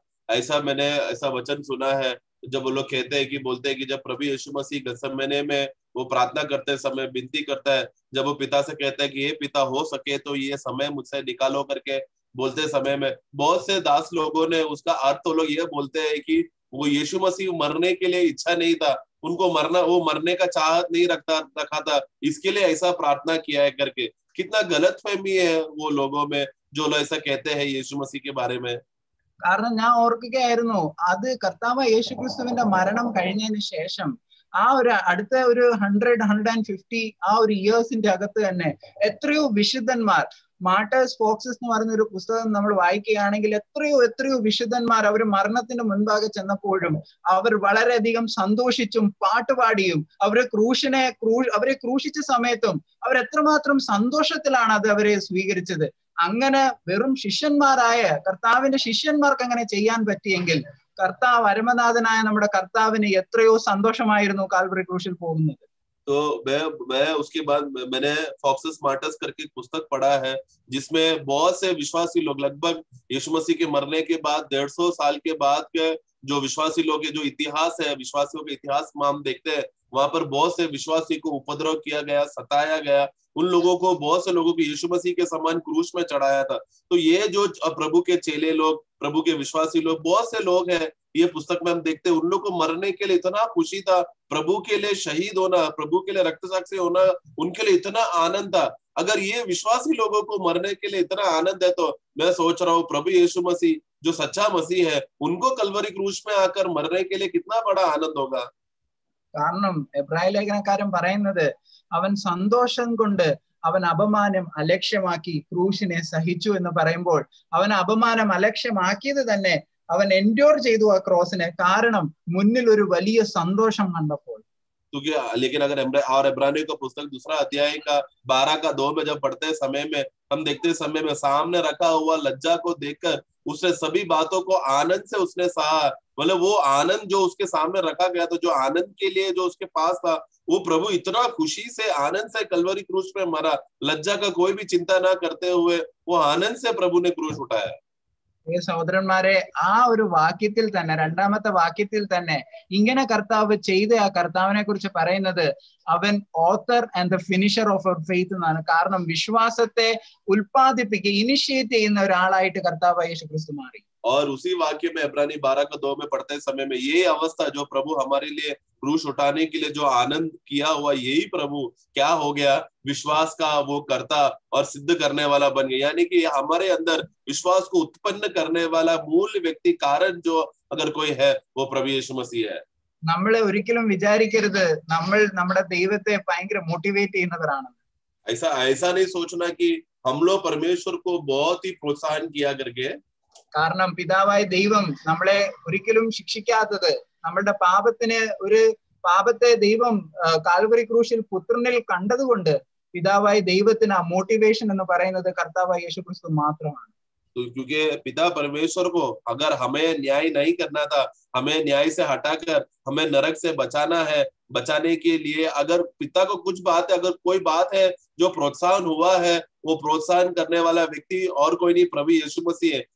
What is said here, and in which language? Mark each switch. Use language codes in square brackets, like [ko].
[hi] ऐसा मैंने ऐसा वचन सुना है जब वो लोग कहते हैं कि बोलते हैं कि जब प्रभु यीशु मसीह गेत्सेमने में वो प्रार्थना करते समय विनती करता है जब वो पिता से कहते हैं कि ये पिता हो सके तो ये समय मुझसे निकालो करके बोलते समय में बहुत से दास लोगों ने उसका अर्थ वो लोग ये बोलते हैं कि वो यीशु मसीह मरने के लिए इच्छा नहीं था उनको मरना वो मरने का चाहत नहीं रखा था इसके लिए ऐसा प्रार्थना किया है करके कितना गलतफहमी है वो लोगों में जो लोग ऐसा कहते हैं यीशु मसीह के बारे में. [ml] കാരണം ഞാൻ ഓർക്കുകയായിരുന്നു അത് കർത്താവ് യേശു ക്രിസ്തുവിന്റെ മരണം കഴിഞ്ഞതിന് ശേഷം ആ ഒരു അടുത്ത ഒരു 100-150 ആ ഒരു ഇയേഴ്സിന്റെ അകത്ത് തന്നെ എത്രയോ വിശുദ്ധന്മാർ മാർട്ടേഴ്സ് ഫോക്സ് എന്ന് പറഞ്ഞൊരു പുസ്തകം നമ്മൾ വായിക്കുകയാണെങ്കിൽ എത്രയോ എത്രയോ വിശുദ്ധന്മാർ അവർ മരണത്തിന് മുൻപാകെ ചെന്നപ്പോഴും അവർ വളരെയധികം സന്തോഷിച്ചും പാട്ടുപാടിയും അവരെ ക്രൂശിച്ച സമയത്തും അവരെത്രമാത്രം സന്തോഷത്തിലാണ് അത് അവരെ സ്വീകരിച്ചത്. അങ്ങനെ വെറും ശിഷ്യന്മാരായ കർത്താവിന്റെ ശിഷ്യന്മാർക്ക് അങ്ങനെ ചെയ്യാൻ പറ്റിയെങ്കിൽ കർത്താവ് അരമനാഥനായ നമ്മുടെ കർത്താവിന് എത്രയോ സന്തോഷമായിരുന്നു കാൽവറി ക്രൂശിൽ പോകുന്നത്. [hi] मैं उसके बाद मैंने फॉक्सेस मार्टर्स करके पुस्तक पढ़ा है, जिसमें बहुत से विश्वासी लोग लगभग यीशु मसीह के मरने के बाद 150 साल के बाद के जो विश्वासी लोग है, जो इतिहास है, विश्वासियों के इतिहास में हम देखते हैं वहां पर बहुत से विश्वासी को उपद्रव किया गया, सताया गया, उन लोगों को, बहुत से लोगों को यीशु मसीह के समान क्रूस में चढ़ाया था। तो ये जो प्रभु के चेले लोग, प्रभु के विश्वासी लोग, बहुत से लोग हैं ये पुस्तक में हम देखते हैं, उन लोगों को मरने के लिए इतना खुशी था, प्रभु के लिए शहीद होना, प्रभु के लिए रक्त साक्षी होना उनके लिए इतना आनंद था। अगर ये विश्वासी लोगों को मरने के लिए इतना आनंद है तो मैं सोच रहा हूँ प्रभु यीशु मसीह जो सच्चा मसीह है उनको कलवरी क्रूस में आकर मरने के लिए कितना बड़ा आनंद होगा। [ml] കാരണം എബ്രായ ലേഖനക്കാരൻ പറയുന്നത് അവൻ സന്തോഷം കൊണ്ട് അവൻ അപമാനം അലക്ഷ്യമാക്കി ക്രൂശിനെ സഹിച്ചു എന്ന് പറയുമ്പോൾ അവൻ അപമാനം അലക്ഷ്യമാക്കിയത് തന്നെ അവൻ എൻഡ്യൂർ ചെയ്തു ആ ക്രോസിനെ, കാരണം മുന്നിൽ ഒരു വലിയ സന്തോഷം കണ്ടപ്പോൾ। [hi] क्योंकि लेकिन अगर और इब्रानियों का पुस्तक दूसरा अध्याय का 12:2 में जब पढ़ते हैं समय में, हम देखते हैं समय में सामने रखा हुआ लज्जा को देखकर उसने सभी बातों को आनंद से उसने सहा, मतलब वो आनंद जो उसके सामने रखा गया था, जो आनंद के लिए जो उसके पास था, वो प्रभु इतना खुशी से आनंद से कलवरी क्रूस में मरा, लज्जा का कोई भी चिंता ना करते हुए वो आनंद से प्रभु ने क्रूस उठाया। [ml] സഹോദരന്മാരെ, ആ ഒരു വാക്യത്തിൽ തന്നെ, രണ്ടാമത്തെ വാക്യത്തിൽ തന്നെ ഇങ്ങനെ കർത്താവ് ചെയ്ത ആ കർത്താവിനെ കുറിച്ച് പറയുന്നത് അവൻ [en] author and the finisher of our faith [ml] എന്നാണ്, കാരണം വിശ്വാസത്തെ ഉൽപ്പാദിപ്പിക്കുക, ഇനിഷ്യേറ്റ് ചെയ്യുന്ന ഒരാളായിട്ട് കർത്താവ് യേശു ക്രിസ്തു മാറി। [hi] और उसी वाक्य में इब्रानी 12:2 में पढ़ते समय में ये अवस्था जो प्रभु हमारे लिए क्रूस उठाने के लिए जो आनंद किया हुआ, यही प्रभु क्या हो गया, विश्वास का वो करता और सिद्ध करने वाला बन गया। यानी कि हमारे अंदर विश्वास को उत्पन्न करने वाला मूल व्यक्ति कारण जो अगर कोई है वो प्रभु यीशु मसीह है। [ml] നമ്മളെ ഒരിക്കലും വിചാരിക്കരുത് നമ്മൾ നമ്മുടെ ദൈവത്തെ ഭയങ്കര മോട്ടിവേറ്റ് ചെയ്യുന്നവരാണ്। [hi] ऐसा नहीं सोचना कि हम लोग परमेश्वर को बहुत ही प्रोत्साहन किया करके, [ml] കാരണം പിതാവായ ദൈവം നമ്മളെ ഒരിക്കലും ശിക്ഷിക്കാത്തത് നമ്മളുടെ പാപത്തിന്, ഒരു പാപത്തെ ദൈവം കാൽവരി ക്രൂശിൽ പുത്രനിൽ കണ്ടതുകൊണ്ട് പിതാവായ ദൈവത്തിന് ആ മോട്ടിവേഷൻ എന്ന് പറയുന്നത് കർത്താവായ യേശു ക്രിസ്തു മാത്രമാണ്। [hi] क्योंकि पिता परमेश्वर को अगर हमें न्याय नहीं करना था, हमें न्याय से हटाकर हमें नरक से बचाना है, बचाने के लिए अगर पिता को कुछ बात है, अगर कोई बात है जो प्रोत्साहन हुआ है, वो प्रोत्साहन करने वाला व्यक्ति और कोई नहीं प्रभु यीशु मसीह है।